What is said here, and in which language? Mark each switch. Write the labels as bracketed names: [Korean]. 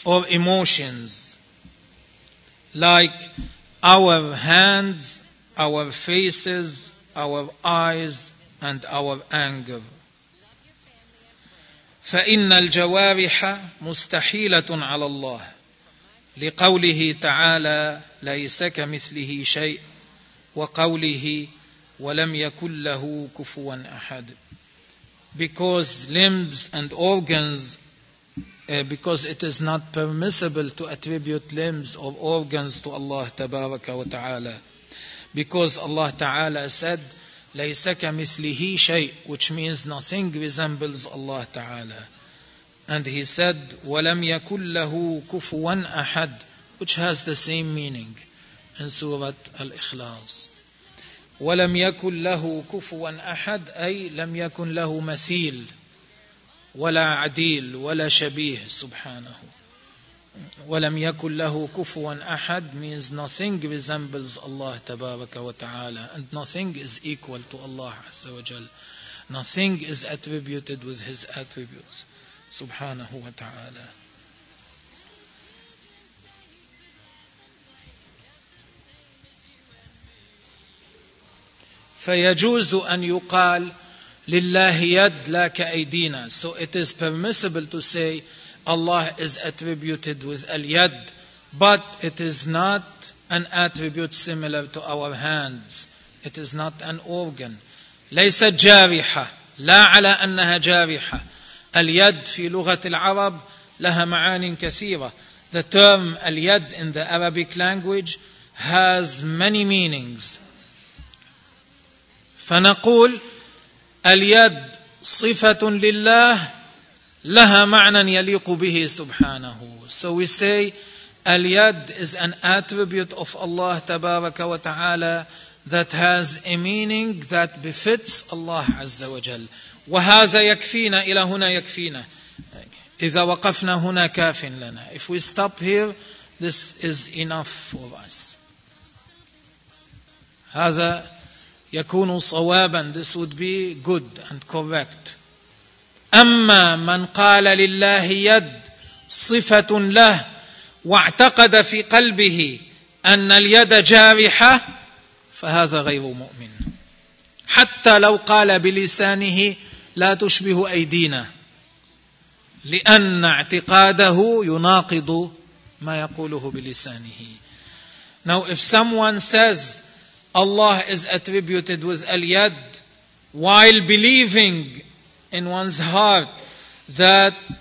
[English] emotions, like our hands, our faces, our eyes, and our anger. [Arabic] فإن الجوارح مستحيلة على الله لقوله تعالى ليس كمثله شيء وقوله ولم يكن له كفوا أحد. [English] Because limbs and organs, because it is not permissible to attribute limbs or organs to Allah [Arabic] تبارك وتعالى. [English] Because Allah [Arabic] تعالى [English] said [Arabic] ليس كمثله شيء, [English] which means nothing resembles Allah Ta'ala. And he said, [Arabic] وَلَمْ يَكُلْ لَهُ كُفُوًا أَحَدْ, [English] which has the same meaning in Surah Al-Ikhlas. [Arabic] وَلَمْ يَكُلْ لَهُ كُفُوًا أَحَدْ, أي لم يكن له مثيل ولا عديل ولا شبيه سبحانه. وَلَمْ يَكُلْ لَهُ كُفُوًا أَحَدٍ [English] means nothing resembles Allah [Arabic] تبارك وتعالى, [English] and nothing is equal to Allah [Arabic] عز وجل. [English] Nothing is attributed with His attributes [Arabic] سبحانه وتعالى. فيجوز أن يقال لله يد لا كأيدينا. [English] So it is permissible to say Allah is attributed with al-yad, but it is not an attribute similar to our hands. It is not an organ. [Arabic] ليس جارحة. لا على أنها جارحة. اليد في لغة العرب لها معان كثيرة. [English] The term al-yad in the Arabic language has many meanings. [Arabic] فنقول اليد صفة لله لها معنى يليق به سبحانه. [English] So we say اليد is an attribute of Allah [Arabic] تبارك وتعالى [English] that has a meaning that befits Allah [Arabic] عز وجل. وهذا يكفينا, إلى هنا يكفينا. إذا وقفنا هنا كاف لنا. [English] If we stop here, this is enough for us. [Arabic] هذا يكون صوابا. [English] This would be good and correct. [Arabic] أما من قال لله يد صفة له واعتقد في قلبه أن اليد جارحة فهذا غير مؤمن. حتى لو قال بلسانه لا تشبه أيدينا, لأن اعتقاده يناقض ما يقوله بلسانه. [English] Now if someone says Allah is attributed with al-yad while believing in one's heart that